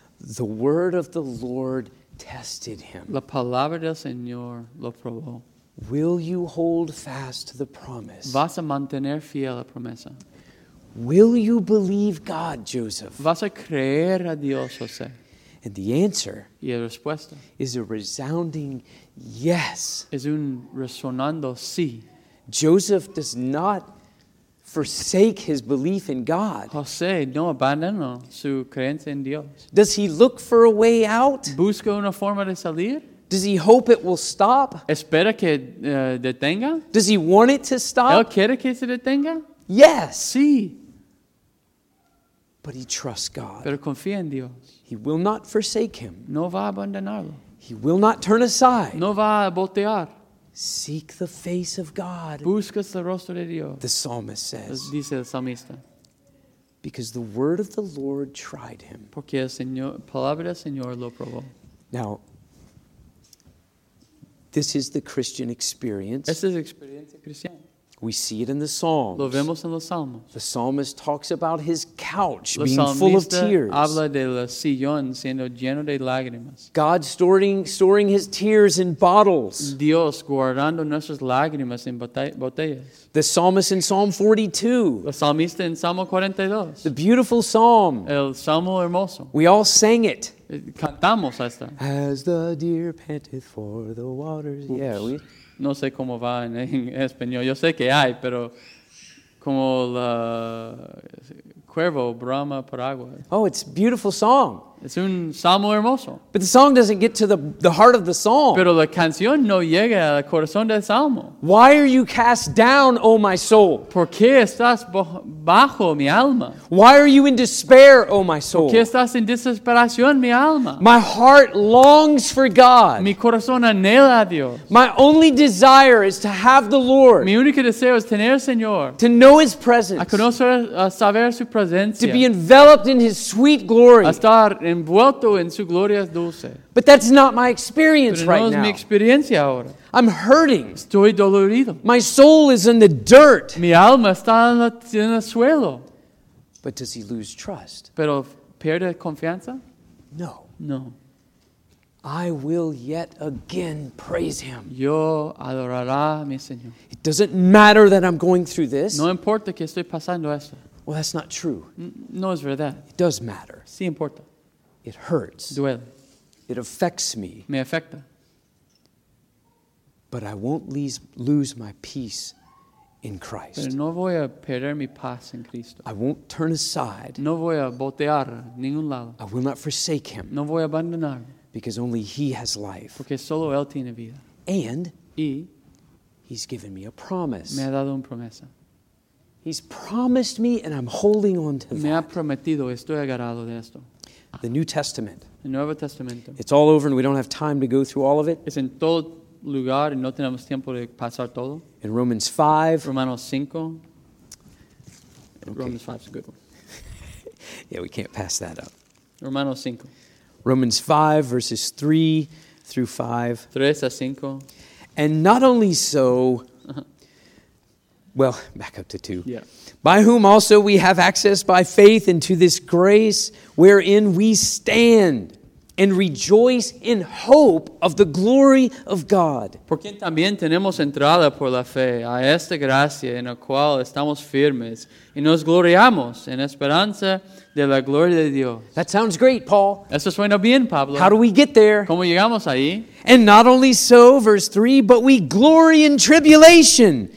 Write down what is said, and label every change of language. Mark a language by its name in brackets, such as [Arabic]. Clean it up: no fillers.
[English] the word of the Lord tested him. [Spanish] La palabra del Señor lo probó. [English] Will you hold fast to the promise? [Spanish] Vas a mantener fiel a la promesa. [English] Will you believe God, Joseph? [Spanish] ¿Vas a creer a Dios, José? [English] And the answer [Spanish] y la respuesta [English] is a resounding yes. [Spanish] Es un resonando sí. [English] Joseph does not forsake his belief in God. [Spanish] José no abandonó su creencia en Dios. [English] Does he look for a way out? [Spanish] ¿Busca una forma de salir? [English] Does he hope it will stop? [Spanish] ¿Espera que detenga? [English] Does he want it to stop? [Spanish] ¿Él quiere que se detenga? [English] Yes. [Spanish] Sí. [English] But he trusts God. [Spanish] Pero confía en Dios. [English] He will not forsake him. [Spanish] No va a abandonarlo. [English] He will not turn aside. [Spanish] No va a voltear. [English] Seek the face of God. [Spanish] Buscas el rostro de Dios. [English] The psalmist says. [Spanish] Dice el salmista. [English] Because the word of the Lord tried him. [Spanish] Porque el Señor, palabra del Señor lo probó. [English] Now, this is the Christian experience. [Spanish] Esta es la experiencia cristiana. [English] We see it in the Psalms. [Spanish] Lo vemos en los Salmos. [English] The psalmist talks about his couch [Spanish] lo [English] being full of tears. [Spanish] Habla de la sillón siendo lleno de lágrimas. [English] God storing his tears in bottles. [Spanish] Dios guardando nuestras lágrimas en botellas. [English] The psalmist in Psalm 42. [Spanish] El salmista en Salmo 42. [English] The beautiful psalm. [Spanish] El salmo hermoso. [English] We all sang it. [Spanish] Cantamos esta. [English] As the deer panteth for the waters. Oops. Yeah, we... [Spanish] No sé cómo va en español. Yo sé que hay, pero como el cuervo brama por agua. [English] Oh, it's a beautiful song. [Spanish] Es un salmo hermoso. [English] But the song doesn't get to the heart of the song. [Spanish] Pero la canción no llega al corazón del salmo. [English] Why are you cast down, O my soul? [Spanish] ¿Por qué estás bajo mi alma? [English] Why are you in despair, O my soul? [Spanish] ¿Por qué estás en desesperación, mi alma? [English] My heart longs for God. [Spanish] Mi corazón anhela a Dios. [English] My only desire is to have the Lord. [Spanish] Mi único deseo es tener al Señor. [English] To know His presence. [Spanish] A conocer, a saber su presencia. [English] To be enveloped in His sweet glory. [Spanish] A estar envuelto en su gloria dulce. [English] But that's not my experience [Spanish] no [English] right [Spanish] es [English] now. [Spanish] Mi experiencia ahora. [English] I'm hurting. [Spanish] Estoy dolorido. [English] My soul is in the dirt. [Spanish] Mi alma está en el suelo. [English] But does he lose trust? [Spanish] Pero pierde confianza? [English] No. [Spanish] No. [English] I will yet again praise him. [Spanish] Yo adorará mi Señor. [English] It doesn't matter that I'm going through this. [Spanish] No importa que estoy pasando esto. [English] Well, that's not true. [Spanish] No es verdad. [English] It does matter. [Spanish] Sí importa. [English] It hurts. [Spanish] Duele. [English] It affects me. [Spanish] Me afecta. [English] But I won't lose my peace in Christ. [Spanish] Pero no voy a perder mi paz en Cristo. [English] I won't turn aside. [Spanish] No voy a voltear a ningún lado. [English] I will not forsake him. [Spanish] No voy a abandonar. [English] Because only he has life. [Spanish] Porque solo él tiene vida. [English] And [Spanish] y [English] he's given me a promise. [Spanish] Me ha dado una promesa. [English] He's promised me, and I'm holding on to that. [Spanish] Me ha prometido, estoy agarrado de esto. [English] The New Testament. [Spanish] El Nuevo Testamento. [English] It's all over, and we don't have time to go through all of it. [Spanish] Es en todo lugar y no tenemos tiempo de pasar todo. [English] In Romans 5. Romanos 5. Okay. Romans 5 is a good one. Yeah, we can't pass that up. [Spanish] Romanos 5. [English] Romans 5, verses 3 through 5. [Spanish] 3 a 5. [English] And not only so, well, back up to 2. Yeah. By whom also we have access by faith into this grace wherein we stand and rejoice in hope of the glory of God. [Spanish] Por quien también tenemos entrada por la fe a esta gracia en la cual estamos firmes y nos gloriamos en esperanza de la gloria de Dios. [English] That sounds great, Paul. [Spanish] Eso suena bien, Pablo. [English] How do we get there? [Spanish] ¿Cómo llegamos ahí? [English] And not only so, verse 3, but we glory in tribulation.